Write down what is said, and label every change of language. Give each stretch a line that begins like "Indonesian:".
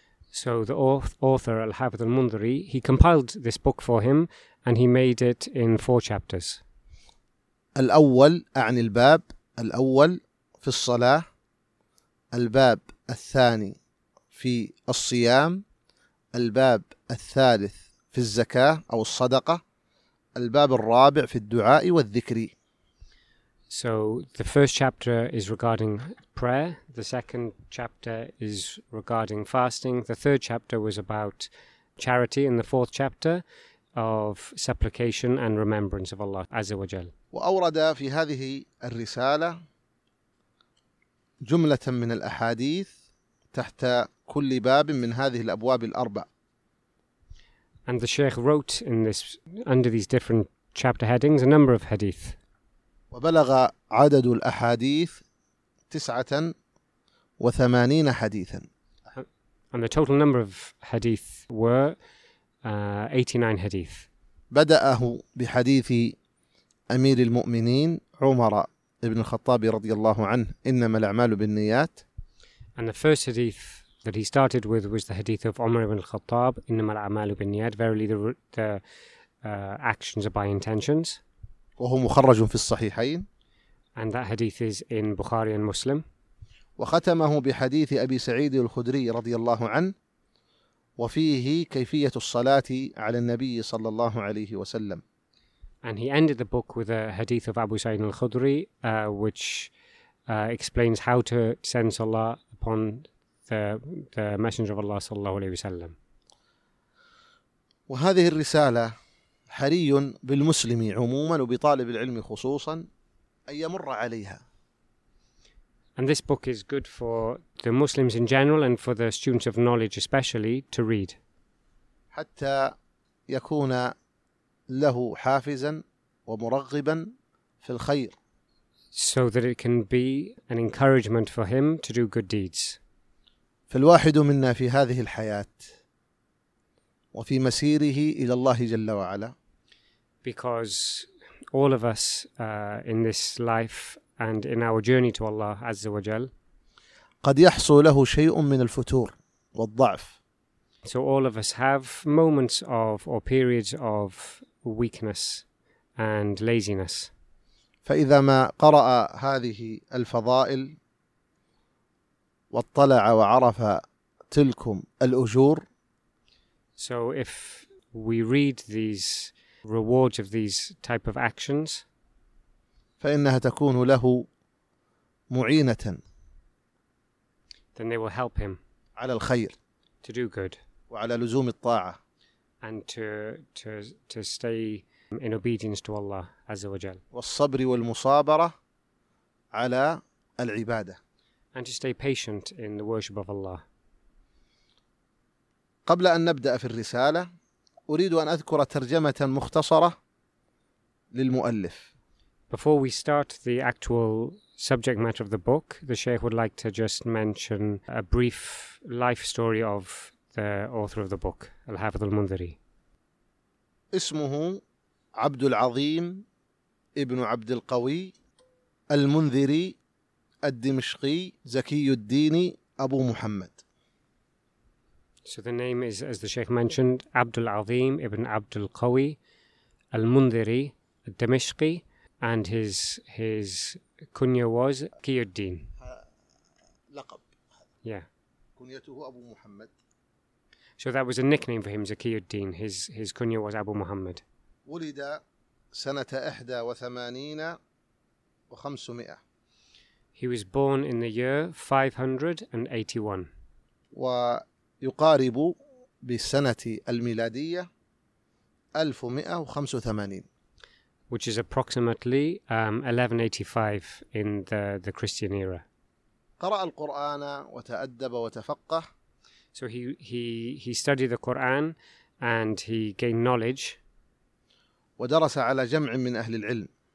English: So the author Al-Hafiz Al-Mundhiri, he compiled this book for him and he made it in four chapters.
Arabic: الأول أعني الباب الأول في الصلاة، الباب الثاني في الصيام، الباب الثالث في الزكاة أو الصدقة، الباب الرابع في الدعاء والذكر.
English: So the first chapter is regarding prayer, the second chapter is regarding fasting, the third chapter was about charity, and the fourth chapter of supplication and remembrance of Allah
Arabic: Azza wa Jal. وأورد في هذه الرسالة جملة من الأحاديث تحت كل باب من هذه الأبواب الأربع.
English: And the Sheikh wrote in this, under these different chapter headings, a number of hadith.
Arabic: وبلغ عدد الأحاديث 89 حديثا.
English: And the total number of hadith were 89 hadith.
Arabic: بدأه بحديث أمير المؤمنين عمر ابن الخطاب رضي الله عنه إنما الأعمال بالنيات.
English: And the first hadith that he started with was the hadith of Umar ibn al-Khattab
Arabic: إنما الأعمال بالنيات,
English: verily the actions are by intentions.
Arabic: وهو مخرج في الصحيحين.
English: And that hadith is in Bukhari and Muslim.
Arabic: وختمه بحديث أبي سعيد الخدري رضي الله عنه وفيه كيفية الصلاة على النبي صلى الله عليه وسلم.
English: And he ended the book with a hadith of Abu Sa'id al-Khudri, which explains how to send salah upon the Messenger of Allah
Arabic: صلى الله عليه وسلم. وهذه الرسالة حري بالمسلم عموما وبطالب العلم خصوصا أن يمر عليها.
English: And this book is good for the Muslims in general and for the students of knowledge especially to read.
Arabic: حتى يكون له حافزا ومرغبا في الخير.
English: So that it can be an encouragement for him to do good deeds.
Arabic: فالواحد منا في هذه الحياة وفي مسيره إلى الله جل وعلا.
English: Because all of us in this life and in our journey to Allah
Arabic: Azza wa Jal, قد يحصل له شيء من الفتور والضعف.
English: So all of us have moments of or periods of weakness and laziness.
Arabic: فإذا ما قرأ هذه الفضائل واطلع وعرف تلكم الأجور.
English: So if we read these rewards of these type of actions,
Arabic: فإنها تكون له معينة.
English: Then they will help him
Arabic: على الخير
English: to do good
Arabic: وعلى لزوم الطاعة
English: and to stay in obedience to Allah
Arabic: Azza wa Jal. والصبر والمصابرة على العبادة
English: and to stay patient in the worship of Allah.
Arabic: قبل أن نبدأ في الرسالة أريد أن أذكر ترجمة مختصرة للمؤلف.
English: Before we start the actual subject matter of the book, the Sheikh would like to just mention a brief life story of the author of the book, Al-Hafiz Al-Mundhiri.
Arabic: اسمه عبد العظيم ابن عبد القوي المنذري الدمشقي زكي الدين أبو محمد.
English: So the name is, as the Sheikh mentioned, عبد العظيم ابن عبد القوي المنذري الدمشقي. And his kunya was Qiyuddin.
Arabic: لقب.
English: Yeah.
Arabic: كنيته أبو محمد.
English: So that was a nickname for him, Zakiyuddin. His kunya was Abu Muhammad.
Arabic: ولد سنة 81 و500.
English: He was born in the year 581.
Arabic: ويقارب بالسنة الميلادية 1185.
English: Which is approximately 1185 in the Christian era.
Arabic: قرأ القرآن وتأدب وتفقه.
English: So he studied the Quran and he gained knowledge.
Arabic: ودرس على جمع من أهل العلم.